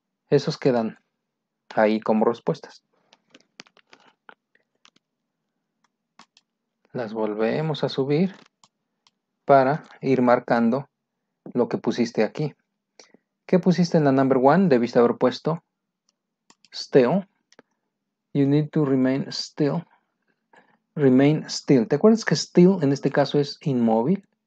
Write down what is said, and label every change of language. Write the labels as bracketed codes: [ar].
[es] Esos quedan ahí como respuestas. Las volvemos a subir para ir marcando lo que pusiste aquí. ¿Qué pusiste en la number one? Debiste haber puesto still. [en] You need to remain still. Remain still. [es] ¿Te acuerdas que still en este caso es inmóvil?